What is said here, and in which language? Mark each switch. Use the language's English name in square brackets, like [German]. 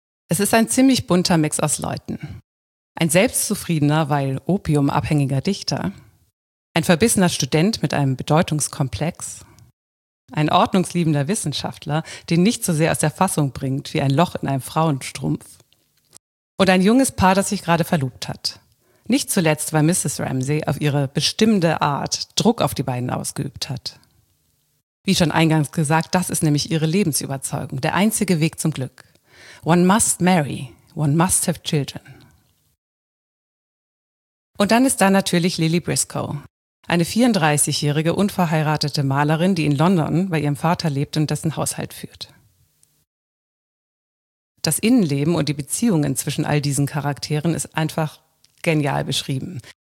[German] Es ist ein ziemlich bunter Mix aus Leuten. Ein selbstzufriedener, weil opiumabhängiger Dichter, ein verbissener Student mit einem Bedeutungskomplex, ein ordnungsliebender Wissenschaftler, den nicht so sehr aus der Fassung bringt wie ein Loch in einem Frauenstrumpf, und ein junges Paar, das sich gerade verlobt hat. Nicht zuletzt, weil Mrs. Ramsay auf ihre bestimmende Art Druck auf die beiden ausgeübt hat. Wie schon eingangs gesagt, das ist nämlich ihre Lebensüberzeugung, der einzige Weg zum Glück. [English] One must marry, one must have children. [German] Und dann ist da natürlich Lily Briscoe, eine 34-jährige unverheiratete Malerin, die in London bei ihrem Vater lebt und dessen Haushalt führt. Das Innenleben und die Beziehungen zwischen all diesen Charakteren ist einfach genial beschrieben.